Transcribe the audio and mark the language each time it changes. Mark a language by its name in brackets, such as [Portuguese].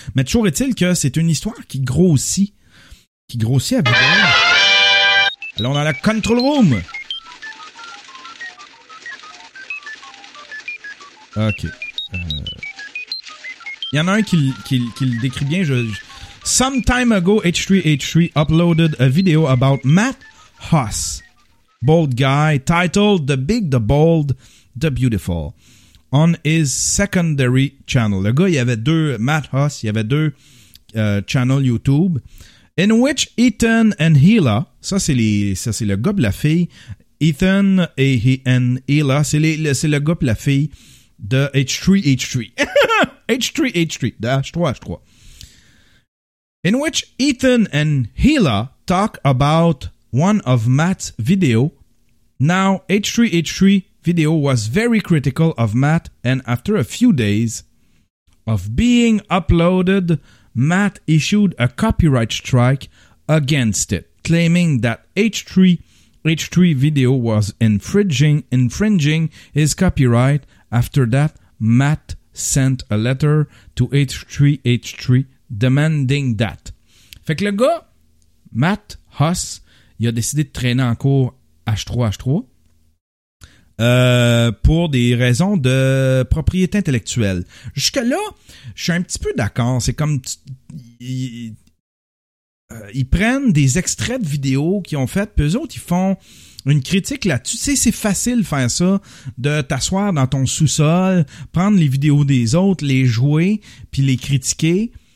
[French] Mais toujours est-il que c'est une histoire qui grossit à vide. Allons dans la control room! Ok. Y en a un qui le décrit bien. [English] Some time ago, H3H3 uploaded a video about Matt Huss, bold guy, titled The Big, The Bold, The Beautiful, on his secondary channel. [French] Le gars, il y avait deux channels YouTube. [English] In which Ethan and Hila, [French] ça c'est le gars et la fille, Ethan and Hila, c'est le gars et la fille de H3H3. [English] In which Ethan and Hila talk about one of Matt's video. Now, H3H3 video was very critical of Matt, and after a few days of being uploaded, Matt issued a copyright strike against it, claiming that H3 video was infringing his copyright. After that, Matt sent a letter to H3H3 demanding that. [French] Fait que le gars, Matt Huss, il a décidé de traîner en cours H3H3 pour des raisons de propriété intellectuelle. Jusque là, je suis un petit peu d'accord. C'est comme ils prennent des extraits de vidéos qu'ils ont faites, puis eux autres, ils font une critique là-dessus. Tu sais, c'est facile de faire ça, de t'asseoir dans ton sous-sol, prendre les vidéos des autres, les jouer, puis les critiquer.